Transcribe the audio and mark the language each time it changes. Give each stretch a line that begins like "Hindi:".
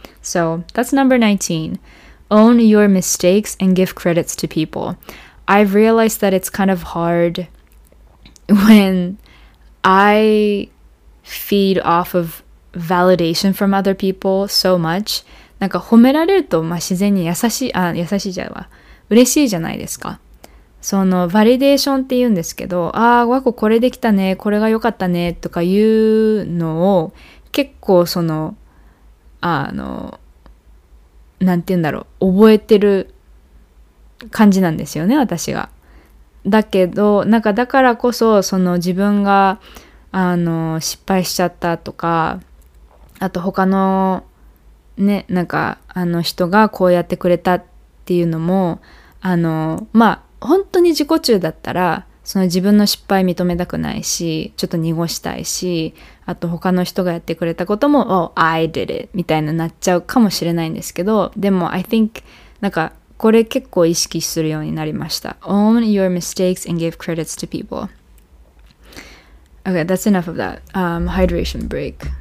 English: So that's number 19. Own your mistakes and give credits to people. I've realized that it's kind of hard when I feed off of validation from other people so much.
Japanese: なんか褒められると、まあ、自然に優しい、あ、優しいじゃわ。嬉しいじゃないですか。そのバリデーションって言うんですけど、ああ、わこ、これできたね、これが良かったねとか言うのを結構そのなんて言うんだろう、覚えてる感じなんですよね、私が。だけど、なんかだからこそ、その自分が、失敗しちゃったとか、あと他の、ね、なんか、人がこうやってくれたっていうのも、まあ、本当に自己中だったら、その自分の失敗認めたくないし、ちょっと濁したいし、あと他の人がやってくれたことも、
English: Oh, I did it!
Japanese: みたいななっちゃうかもしれないんですけど、でも、
English: I think,
Japanese: なんか、これ結構意識するようになりました。
English: Own your mistakes and give credits to people. Okay, that's enough of that. Hydration break.